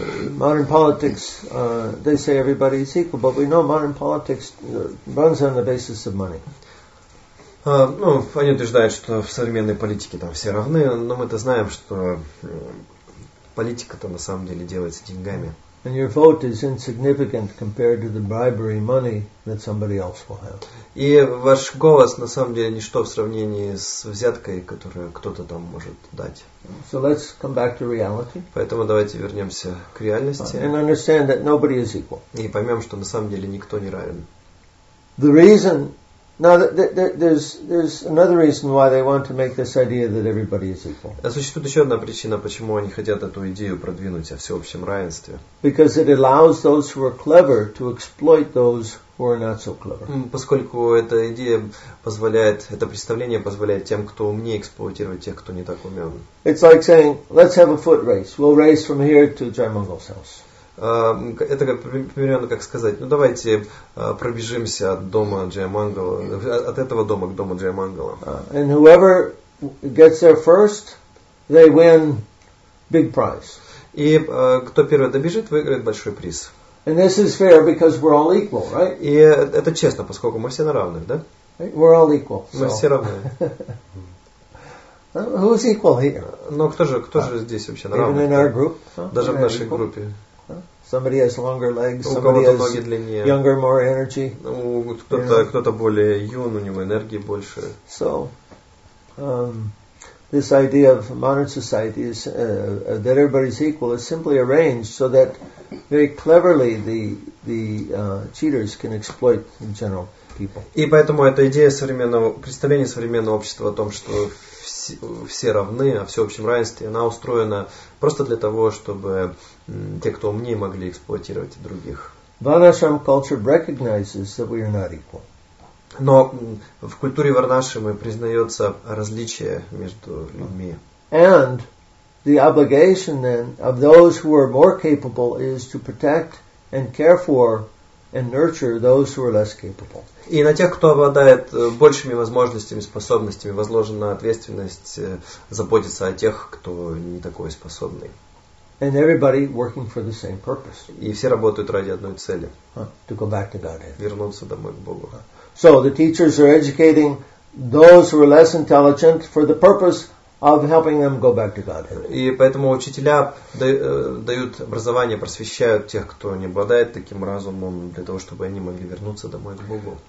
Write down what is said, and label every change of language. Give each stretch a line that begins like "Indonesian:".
English: Modern politics, they say everybody is equal, but we know modern politics runs on the basis of money.
Russian: Они утверждают, что в современной политике там все равны, но мы-то знаем, что политика-то на самом деле делается деньгами.
English: And your vote is insignificant compared to the bribery money that somebody else will have.
Russian: И ваш голос на самом деле ничто в сравнении с взяткой, которую кто-то там может дать.
English: So let's come back to reality.
Russian: Поэтому давайте вернемся к реальности.
English: And understand that nobody is equal.
Russian: И поймем, что на самом деле никто не равен.
English: The reason now there's another reason why they want to make this idea that everybody is equal.
Russian: Существует еще одна причина, почему они хотят эту идею продвинуть о всеобщем равенстве.
English: Because it allows those who are clever to exploit those who are not so clever.
Russian: Поскольку эта идея позволяет, это представление позволяет тем, кто умнее, эксплуатировать тех, кто не так умен.
English: It's like saying, let's have a foot race. We'll race from here to Jaimangal's house.
Russian: Это как примерно как сказать, давайте пробежимся от дома Джаямангала, от этого дома к дому Джаямангала.
English: And whoever gets there first, they win big prize.
Russian: И кто первый добежит, выиграет большой приз.
English: And this is fair because we're all equal, right?
Russian: И это честно, поскольку мы все на равных, да?
English: We're all equal.
Russian: Мы все равны.
English: Who's equal here?
Russian: Но кто же здесь вообще на равных?
English: Even in our group.
Russian: Даже в нашей группе.
English: Somebody has longer legs, somebody has younger, more energy.
Russian: Кто-то более юн, у него энергии больше.
English: So, this idea of modern society is that everybody's equal is simply arranged so that very cleverly the cheaters can exploit the general people.
Russian: И поэтому эта идея современного представления современного общества о том, что все равны, о всеобщем равенстве. Она устроена просто для того, чтобы те, кто умнее, могли эксплуатировать других.
English: Varnashram culture recognizes that we are not equal.
Russian: Но в культуре Варнашрамы признается различие между людьми.
English: And the obligation then of those who are more capable is to protect and care for and nurture those who are less capable.
Russian: И на тех, кто обладает большими возможностями, способностями, возложена ответственность заботиться о тех, кто не такой способный.
English: And everybody working for the same purpose.
Russian: И все работают ради одной цели.
English: To go back to Godhead.
Russian: Вернуться домой к Богу.
English: So the teachers are educating those who are less intelligent for the purpose of helping them go back to Godhead.
Russian: И поэтому учителя дают образование, просвещают тех, кто не обладает таким разумом, для того, чтобы они могли вернуться домой к Богу.